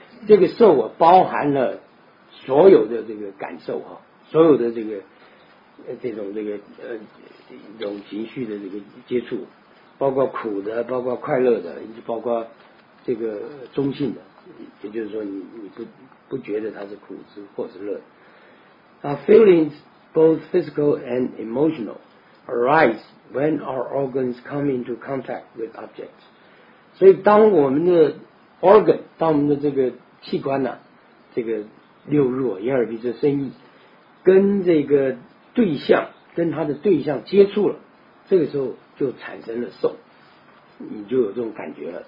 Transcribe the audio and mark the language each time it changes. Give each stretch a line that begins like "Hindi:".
Chinese: 这个受啊包含了所有的这个感受啊，所有的这个这种情绪的这个接触，包括苦的，包括快乐的，包括这个中性的，也就是说你不觉得它是苦是或是乐。
English: Feelings, both physical and emotional, arise. When our organs come into contact with objects.
Chinese: 所以当我们的 organ, 当我们的这个器官啊，这个六入眼耳鼻舌身意跟这个对象，跟它的对象接触了，这个时候就产生了受，你就有这种感觉了。